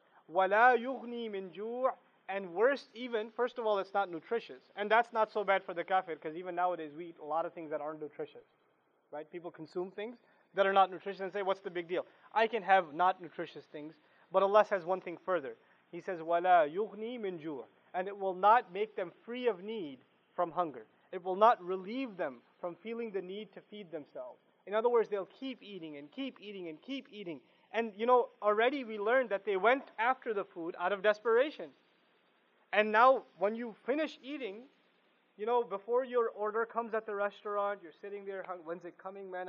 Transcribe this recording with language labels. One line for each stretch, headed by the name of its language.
Arabic: وَلَا يُغْنِي مِنْ جُوعٍ.
English: And worst even, first of all, it's not nutritious. And that's not so bad for the kafir, because even nowadays we eat a lot of things that aren't nutritious. Right? People consume things that are not nutritious and say, what's the big deal? I can have not nutritious things. But Allah says one thing further. He says,
Arabic: وَلَا يُغْنِي مِنْ جُوعٍ.
English: And it will not make them free of need from hunger. It will not relieve them from feeling the need to feed themselves. In other words, they'll keep eating and keep eating and keep eating. And you know, already we learned that they went after the food out of desperation. And now when you finish eating, you know, before your order comes at the restaurant, you're sitting there, when's it coming, man?